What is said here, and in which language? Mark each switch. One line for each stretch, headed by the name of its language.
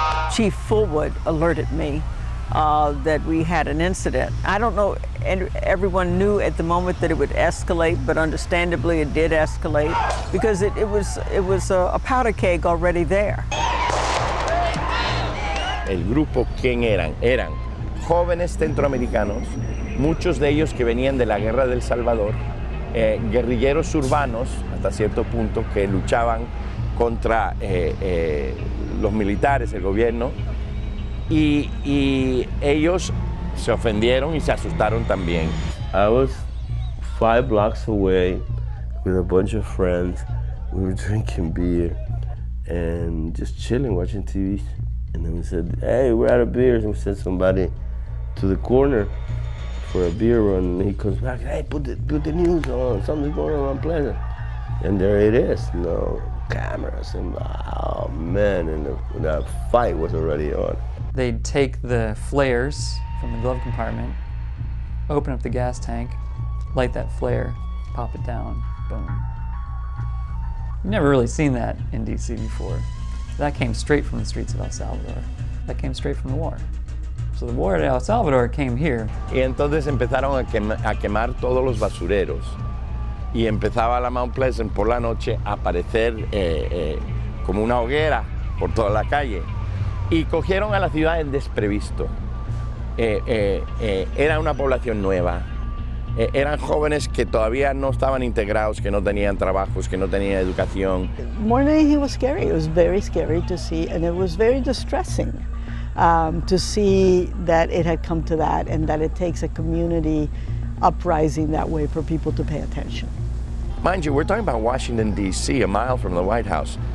English: Chief Fullwood alerted me that we had an incident. I don't know, and everyone knew at the moment that it would escalate, but understandably it did escalate because it was a powder keg already there.
Spanish: El grupo, ¿quién eran? Eran jóvenes centroamericanos, muchos de ellos que venían de la guerra del Salvador, guerrilleros urbanos hasta cierto punto que luchaban contra los militares, el gobierno. Y ellos se ofendieron y se asustaron también.
English: I was five blocks away with a bunch of friends. We were drinking beer and just chilling, watching TV. And then we said, hey, we're out of beers. And we sent somebody to the corner for a beer run. And he comes back, hey, put the news on. Something's going on Pleasant. And there it is, no cameras. And oh, man, and the fight was already on. They'd take the flares from the glove compartment, open up the gas tank, light that flare, pop it down, boom. You've never really seen that in DC before. That came straight from the streets of El Salvador. That came straight from the war. So the war at El Salvador came here.
Spanish: Y entonces empezaron a quemar todos los basureros. Y empezaba la Mount Pleasant por la noche a aparecer como una hoguera por toda la calle. Y cogieron a la ciudad en desprevisto. Era una población nueva. Eran jóvenes que todavía no estaban integrados, que no tenían trabajos, que no tenían educación.
English: More than anything, it was scary. It was very scary to see, and it was very distressing to see that it had come to that, and that it takes a community uprising that way for people to pay attention. Mind you, we're talking about Washington, D.C., a mile from the White House.